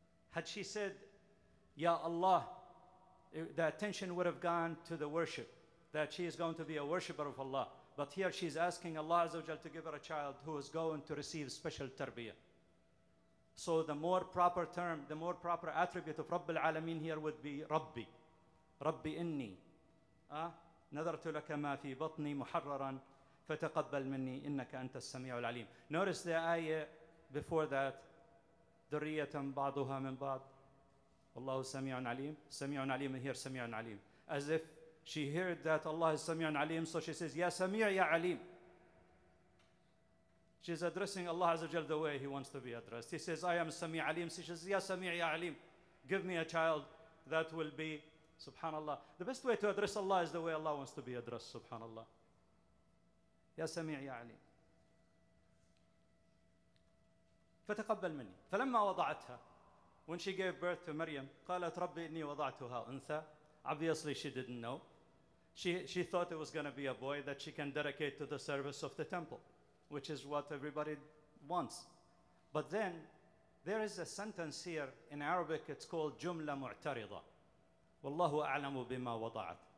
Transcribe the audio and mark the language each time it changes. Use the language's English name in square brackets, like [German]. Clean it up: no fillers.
[English] Had she said Ya Allah, the attention would have gone to the worship, that she is going to be a worshiper of Allah. But here she's asking Allah Azza wa Jal to give her a child who is going to receive special tarbiyah. So the more proper term, the more proper attribute of رب العالمين here would be ربي. [Arabic] ربي إني نذرت لك ما في بطني محررا فتقبل مني إنك أنت السميع العليم. [English] Notice the ayah before that. [Arabic] ذرية بعضها من بعض. الله سميع عليم. سميع عليم here, سميع عليم. [English] As if she heard that Allah is [Arabic] سميع عليم. [English] So she says, [Arabic] يا سميع يا عليم. [English] She's addressing Allah Azza wa Jal the way he wants to be addressed. He says, I am Sami Alim. She says, [Arabic] Ya Sami Ya Alim. [English] Give me a child that will be, subhanAllah. The best way to address Allah is the way Allah wants to be addressed, subhanAllah. [Arabic] Ya Sami Ya Alim. فتقبل مني. فلما وضعتها, [English] when she gave birth to Maryam, [Arabic] قالت ربي إني وضعتها أنثى. [English] Obviously, she didn't know. She thought it was going to be a boy that she can dedicate to the service of the temple, which is what everybody wants. But then there is a sentence here in Arabic, it's called جملة معترضة. [Arabic] والله أعلم بما وضعت.